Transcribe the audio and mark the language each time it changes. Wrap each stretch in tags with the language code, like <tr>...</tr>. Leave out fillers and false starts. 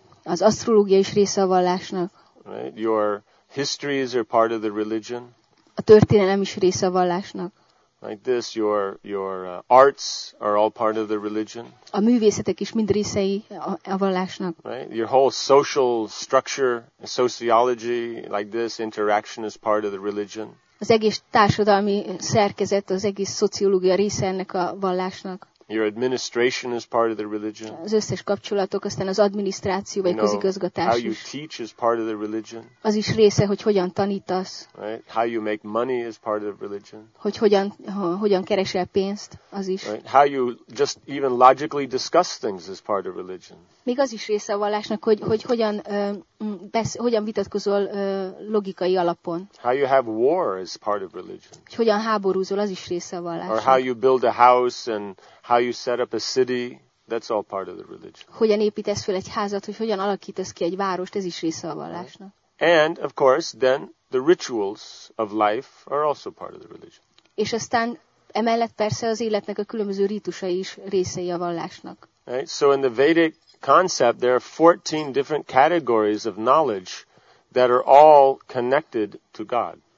<hu>Az asztrológia is része a vallásnak.</hu> <en>Right, your histories are part of the religion.</en> <hu>A történelem is része a vallásnak.</hu> <en>Like this, your arts are all part of the religion.</en> <hu>A művészetek is mind részei a vallásnak.</hu> <en>Right, your whole social structure, sociology, like this, interaction is part of the religion.</en> <hu>Az egész társadalmi szerkezet, az egész szociológia része ennek a vallásnak.</hu> <en>Your administration is part of the religion.</en> <hu>Az összes kapcsolatok, aztán az adminisztráció vagy közigazgatás</hu> <en>is. How you teach is part of the religion.</en> <hu>Az is része, hogy hogyan tanítasz.</hu> <en>Right? How you make money is part of the religion.</en> <hu>Hogy hogyan keresel pénzt, az is.</hu> <en>Right? How you just even logically discuss things is part of religion.</en> <hu>Még az is része a vallásnak, hogy hogyan vitatkozol logikai alapon.</hu> <en>How you have war is part of religion.</en> <hu>Hogy hogyan háborúzol, az is része a vallásnak.</hu> <en>Or how you build a house and how you set up a city, that's all part of the religion.</en> <hu>Hogyan építesz fel egy házat, hogy hogyan alakítasz ki egy várost, ez is része a vallásnak.</hu> <en>And of course, then the rituals of life are also part of the religion.</en> <hu>És aztán emellett persze az életnek a különböző rítusai is részei a vallásnak.</hu> <en>Right? So in the Vedic concept, there are 14 different categories of knowledge that are all connected to God.</en>